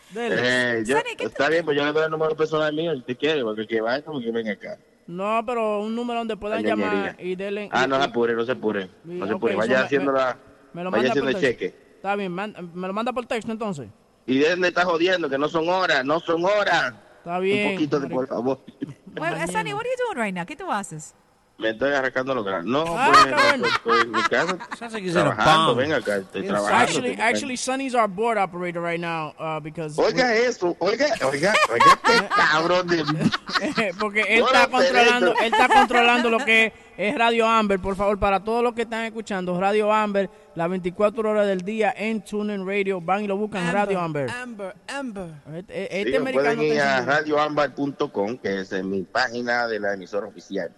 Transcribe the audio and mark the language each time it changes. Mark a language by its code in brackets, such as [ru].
[es] está bien, pues yo le doy el número personal mío, si te quiere, porque que vaya, como que venga acá. No, pero un número donde puedan llamar y denle. No se apure, no se apure. Okay, vaya haciendo el cheque. Está bien, me lo manda por texto entonces. Y dónde está jodiendo, que no son horas. Está bien. Un poquito de por favor. [en] Well, Sunny, what are you doing right now? [es] ¿Qué tú haces? Me estoy arrancando los granos. No, [en] Sounds like he's in a bomb. Actually, Sonny's our board operator right now because... [es] Oiga, qué cabrón de... Porque él está controlando lo que es Radio Amber. Por favor, para todos los que están escuchando, Radio Amber, las 24 horas del día en TuneIn Radio. Van y lo buscan, Amber, Radio Amber. Amber. Pueden ir a radioambar.com, que es mi página de la emisora oficial.